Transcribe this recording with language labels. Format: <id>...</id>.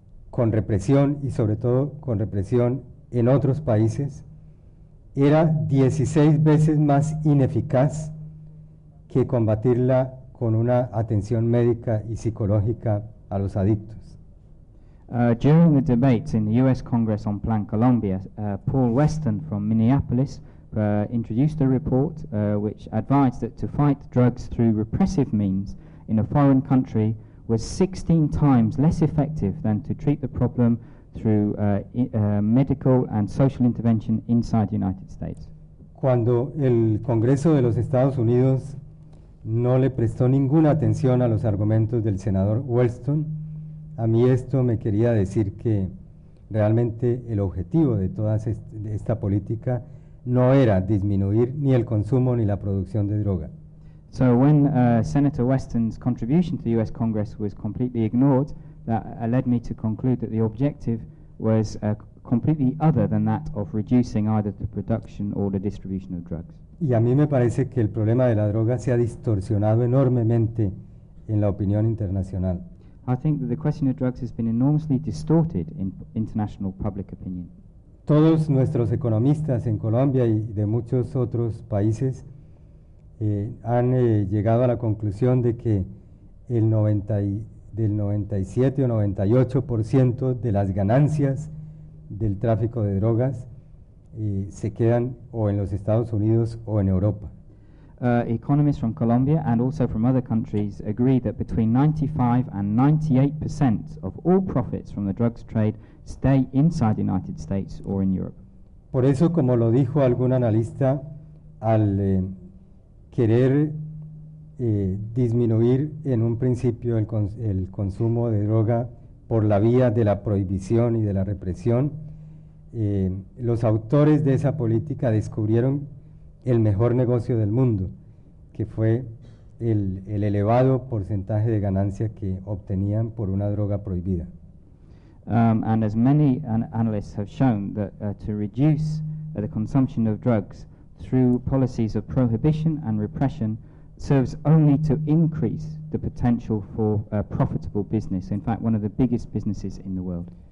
<es>con represión y sobre todo con represión en otros países era 16 veces más ineficaz que combatirla con una atención médica y psicológica a los adictos.</es> <en>During the debates in the U.S. Congress on Plan Colombia, Paul Weston from Minneapolis introduced a report which advised that to fight drugs through repressive means in a foreign country was 16 times less effective than to treat the problem through medical and social intervention inside the United States.</en> <es>Cuando el Congreso de los Estados Unidos no le prestó ninguna atención a los argumentos del senador Wellstone, a mí esto me quería decir que realmente el objetivo de toda esta política no era disminuir ni el consumo ni la producción de droga.</es> <en>So when Senator Weston's contribution to the US Congress was completely ignored, that led me to conclude that the objective was completely other than that of reducing either the production or the distribution of drugs.</en> <es>Y a mí me parece que el problema de la droga se ha distorsionado enormemente en la opinión internacional.</es> <en>I think that the question of drugs has been enormously distorted in international public opinion.</en> <es>Todos nuestros economistas en Colombia y de muchos otros países llegado a la conclusión de que del 97 o 98% de las ganancias del tráfico de drogas se quedan o en los Estados Unidos o en Europa.</es> <en>Economists from Colombia and also from other countries agree that between 95 and 98% of all profits from the drugs trade stay inside the United States or in Europe.</en> <es>Por eso, como lo dijo algún analista, al querer disminuir en un principio el consumo de droga por la vía de la prohibición y de la represión, los autores de esa política descubrieron el mejor negocio del mundo, que fue el elevado porcentaje de ganancia que obtenían por una droga prohibida.</es> <en>And as many analysts have shown, that to reduce the consumption of drugs through policies of prohibition and repression serves only to increase the potential for a profitable business, in fact, one of the biggest businesses in the world.</en>